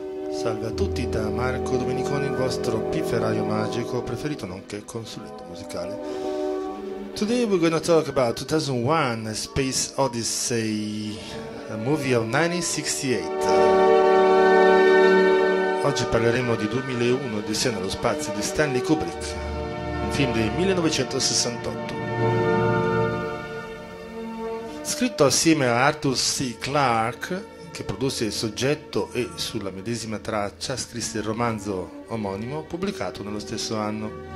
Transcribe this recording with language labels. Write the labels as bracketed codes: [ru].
[it] Salve a tutti da Marco Domeniconi, il vostro pifferaio magico preferito nonché consulente musicale. [en] Today we're going to talk about 2001 Space Odyssey, a movie of 1968. [it] Oggi parleremo di 2001, Odissea nello spazio di Stanley Kubrick, un film del 1968. Scritto assieme a Arthur C. Clarke, che produsse il soggetto e sulla medesima traccia scrisse il romanzo omonimo pubblicato nello stesso anno.